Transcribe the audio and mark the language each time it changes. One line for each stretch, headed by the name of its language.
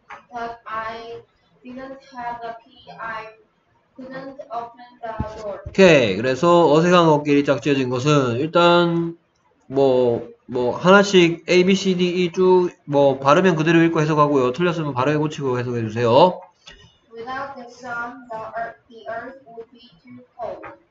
English: But I didn't have the key. I couldn't open the door.
Korean: 오케이, 그래서 어색한 어깨를 쫙 지어진 것은 일단 뭐 하나씩 A, B, C, D, E 쭉 뭐 바르면 그대로 읽고 해석하고요. 틀렸으면 바로 고치고 해석해 주세요.
English: Without the sun, the earth would be too cold.